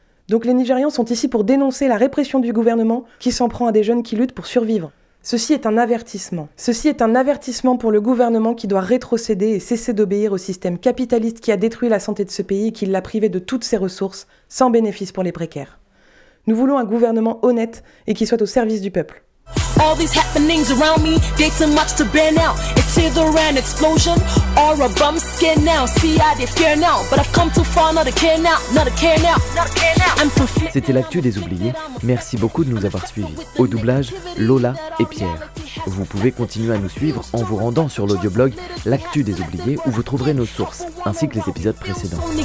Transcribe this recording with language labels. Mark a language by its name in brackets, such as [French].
[French] Donc les Nigérians sont ici pour dénoncer la répression du gouvernement qui s'en prend à des jeunes qui luttent pour survivre. Ceci est un avertissement. Ceci est un avertissement pour le gouvernement qui doit rétrocéder et cesser d'obéir au système capitaliste qui a détruit la santé de ce pays et qui l'a privé de toutes ses ressources, sans bénéfice pour les précaires. Nous voulons un gouvernement honnête et qui soit au service du peuple. [English] All these happenings around me, they too much to bear now. It's either an explosion or a bum skin now. See, I did fear now, but I've come too far, not a care now, not a care now, not a care now. [French] C'était l'actu des oubliés. Merci beaucoup de nous avoir suivis. Au doublage, Lola et Pierre. Vous pouvez continuer à nous suivre en vous rendant sur l'audioblog L'actu des oubliés où vous trouverez nos sources ainsi que les épisodes précédents.